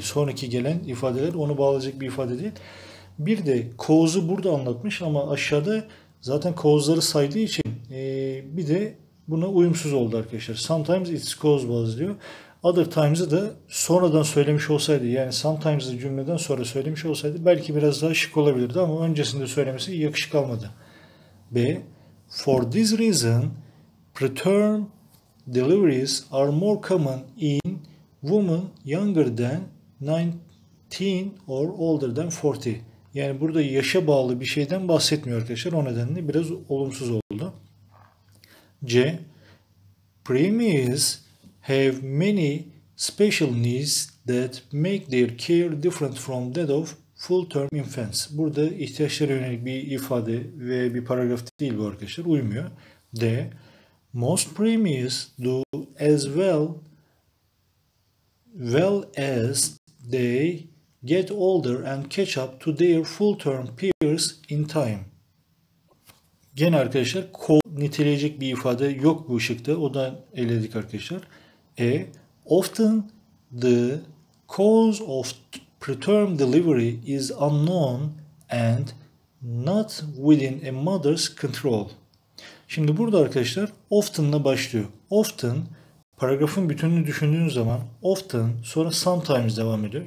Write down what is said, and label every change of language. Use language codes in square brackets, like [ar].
[tr] Sonraki gelen ifadeler onu bağlayacak bir ifade değil. Bir de cause'u burada anlatmış ama aşağıda zaten cause'ları saydığı için bir de buna uyumsuz oldu arkadaşlar. [en] Sometimes it's caused by [tr] diyor. Other times'ı da sonradan söylemiş olsaydı, yani sometimes'ı cümleden sonra söylemiş olsaydı belki biraz daha şık olabilirdi ama öncesinde söylemesi yakışık almadı. B. [en] For this reason, preterm deliveries are more common in women younger than 19 or older than 40. [tr] Yani burada yaşa bağlı bir şeyden bahsetmiyor arkadaşlar. O nedenle biraz olumsuz oldu. C. [en] Preemies have many special needs that make their care different from that of full-term infants. [tr] Burada ihtiyaçlara yönelik bir ifade ve bir paragraf değil bu arkadaşlar. Uymuyor. D. [en] Most preemies do as well as they get older and catch up to their full-term peers in time. [tr] Gene arkadaşlar niteleyecek bir ifade yok bu ışıkta. O da eledik arkadaşlar. E. [en] Often the cause of preterm delivery is unknown and not within a mother's control. [tr] Şimdi burada arkadaşlar often'la başlıyor. Often, paragrafın bütününü düşündüğünüz zaman often, sonra sometimes devam ediyor.